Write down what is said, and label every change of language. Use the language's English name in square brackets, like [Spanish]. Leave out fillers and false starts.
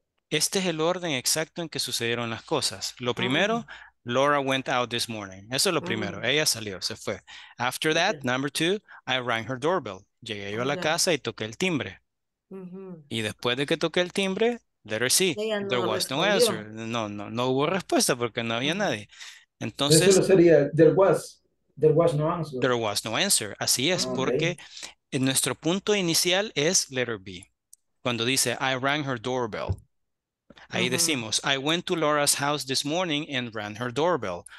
[Spanish] Este es el orden exacto en que sucedieron las cosas. Lo primero, [English] Laura went out this morning. [Spanish] Eso es lo primero. Ella salió, se fue. [English] After that, number two, I rang her doorbell. [Spanish] Llegué yo a la casa y toqué el timbre. Y después de que toqué el timbre, [English] letter C, there was no answer. [Spanish] No hubo respuesta porque no había nadie. Entonces, [English] eso sería, there was no answer. There was no answer. [Spanish] Así es, porque en nuestro punto inicial es [English] letter B. [Spanish] Cuando dice, [English] I rang her doorbell. [Spanish] Ahí decimos, [English] I went to Laura's house this morning and rang her doorbell.